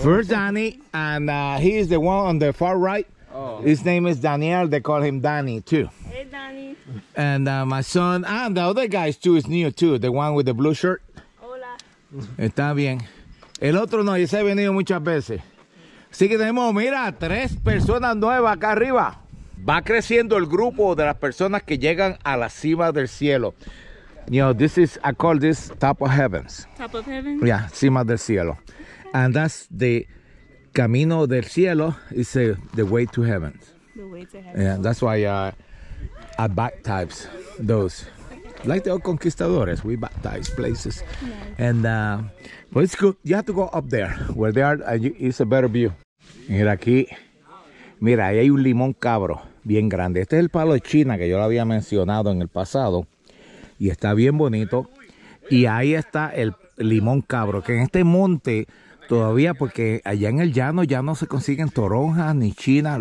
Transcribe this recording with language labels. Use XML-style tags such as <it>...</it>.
<en>First Danny, and he is the one on the far right. Oh. His name is Daniel, they call him Danny too. Hey, Danny. And my son, and the other guy too is new too, the one with the blue shirt.</en> <es>Hola. Está bien. El otro no, ese ha venido muchas veces. Así que tenemos, mira, tres personas nuevas acá arriba. Va creciendo el grupo de las personas que llegan a la cima del cielo.</es> <en>You know, this is, I call this top of heavens. Top of heavens?</en> <es>Yeah, cima del cielo. Okay.</es> <en>And that's the</en> <es>camino del cielo,</es> <en>it's the way to heavens. The way to heavens. Yeah, that's why I baptize those. Like the old conquistadores, we baptize places. Nice. And, well, it's good. You have to go up there, where they are, it's a better view.</en> <es>Mira aquí, mira, ahí hay un limón cabro, bien grande. Este es el palo de China que yo lo había mencionado en el pasado. Y está bien bonito. Y ahí está el limón cabro, que en este monte todavía, porque allá en el llano ya no se consiguen toronjas ni chinas.</es>